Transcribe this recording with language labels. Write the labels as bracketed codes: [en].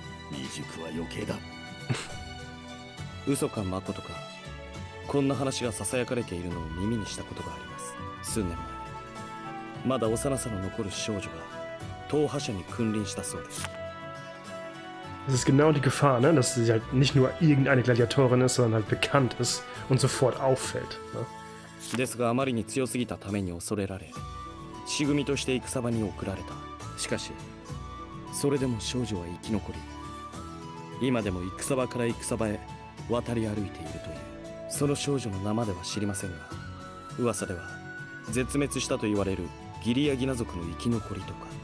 [ja] 未熟は余計だ。嘘かまことか、こんな話がささやかれているのを耳にしたことがあります。数年前、まだ幼さの残る少女が踏破者に君臨したそうです。 [de] Es ist genau die Gefahr, ne? Dass sie halt nicht nur irgendeine Gladiatorin ist, sondern halt bekannt ist und sofort auffällt, ne? [ja] ですがあまりに強すぎたために恐れられ、仕組みとして戦場に送られた。しかし、それでも少女は生き残り、今でも戦場から戦場へ渡り歩いているという。その少女の名前は知りませんが、噂では絶滅したと言われるギリアギナ族の生き残りとか。